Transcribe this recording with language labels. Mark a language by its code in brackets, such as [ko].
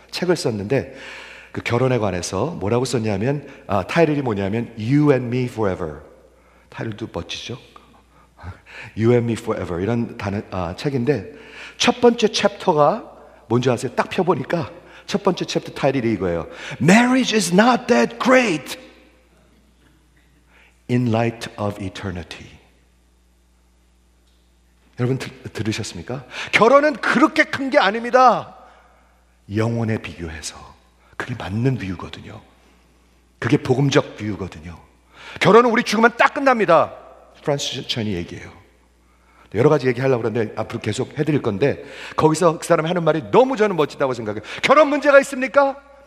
[ko] 책을 썼는데 그 결혼에 관해서 뭐라고 썼냐면 타이틀이 뭐냐면 You and Me Forever. 타이틀도 멋지죠? You and Me Forever 이런 책인데 첫 번째 챕터가 뭔지 아세요? 딱 펴보니까 첫 번째 챕터 타이틀이 이거예요. [en] Marriage is not that great in light of eternity. [ko] 여러분 들으셨습니까? 결혼은 그렇게 큰 게 아닙니다. 영혼에 비교해서 그게 맞는 비유거든요. 그게 복음적 비유거든요. 결혼은 우리 죽으면 딱 끝납니다. 프란시스 첸이 얘기해요. 여러 가지 얘기하려고 그러는데 앞으로 계속 해드릴 건데 거기서 그 사람이 하는 말이 너무 저는 멋지다고 생각해요. 결혼 문제가 있습니까?